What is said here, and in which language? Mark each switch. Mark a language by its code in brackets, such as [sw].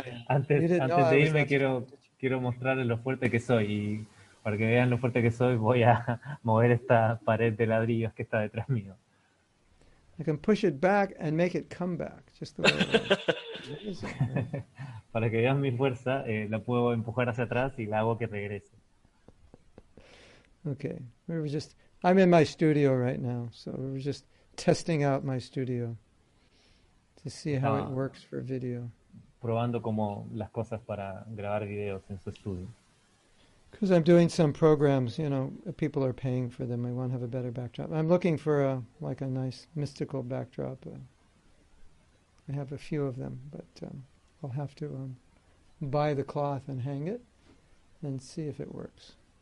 [es] antes de irme, quiero mostrarles lo fuerte que soy. Y para que vean lo fuerte que soy, voy a mover esta pared de ladrillos que está detrás mío. [en] I can push it back and make it come back, just the way it is. [es] Para que veas mi fuerza, la puedo empujar hacia atrás y la hago que regrese. [en] Okay, we were just, I'm in my studio right now, so we were just testing out my studio to see how it works for video. [es] Probando como las cosas para grabar videos en su estudio. [en] Because I'm doing some programs, you know, people are paying for them. I want to have a better backdrop. I'm looking for a nice mystical backdrop. I have a few of them, but I'll have to buy the cloth and hang it and see if it works.